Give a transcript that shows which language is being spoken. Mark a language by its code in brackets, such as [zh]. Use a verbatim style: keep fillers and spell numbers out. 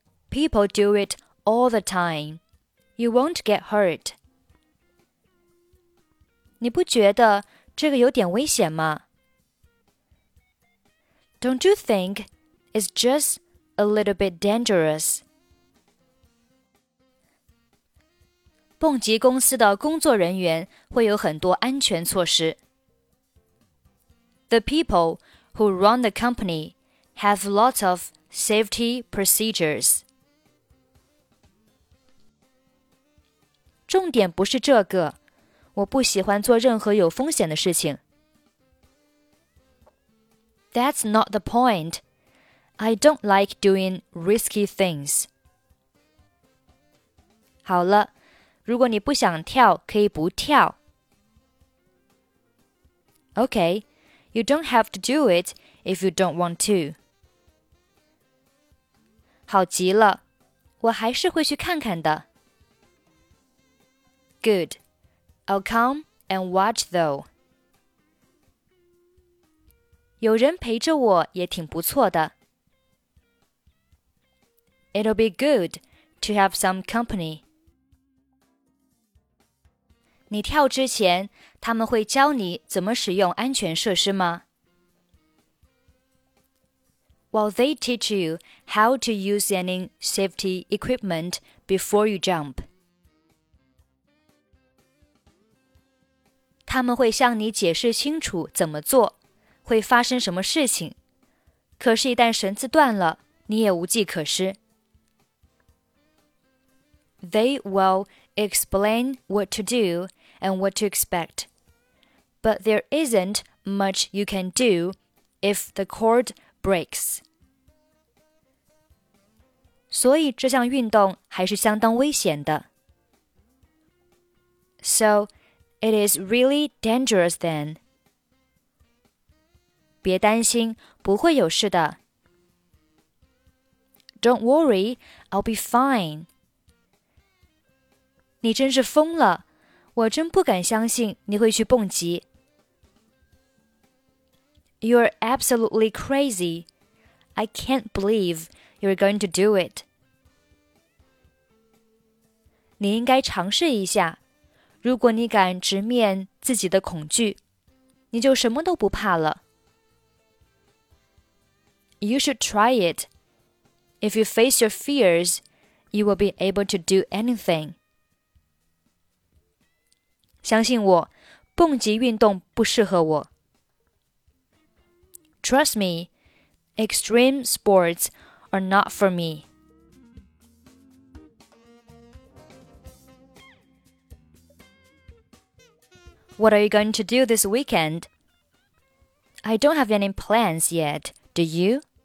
[en] People do it all the time. You won't get hurt. [zh] 你不觉得这个有点危险吗？ [en] Don't you think it's just a little bit dangerous? [zh] 蹦极公司的工作人员会有很多安全措施。 [en] The people who run the company have lots of safety procedures. [zh] 重点不是这个，我不喜欢做任何有风险的事情。 [en] That's not the point. I don't like doing risky things. [zh] 好了，如果你不想跳，可以不跳。 [en] Okay. You don't have to do it if you don't want to. [zh] 好极了，我还是会去看看的。 [en] Good. I'll come and watch though. [zh] 有人陪着我也挺不错的。 [en] It'll be good to have some company. [zh] 你跳之前，他们会教你怎么使用安全设施吗？ [en] Well, they teach you how to use any safety equipment before you jump. [zh] 他们会向你解释清楚怎么做，会发生什么事情。可是，一旦绳子断了，你也无计可施。 [en] They will explain what to do and what to expect but there isn't much you can do if the cord breaks. [zh] 所以这项运动还是相当危险的。 [en] So, it is really dangerous then. [zh] 别担心，不会有事的。 [en] Don't worry, I'll be fine. [zh] 你真是疯了，我真不敢相信你会去蹦极。 [en] You're absolutely crazy. I can't believe you're going to do it. [zh] 你应该尝试一下，如果你敢直面自己的恐惧，你就什么都不怕了。 [en] You should try it. If you face your fears, you will be able to do anything. [zh] 相信我，蹦极运动不适合我。 [en] Trust me, extreme sports are not for me. What are you going to do this weekend? I don't have any plans yet, do you?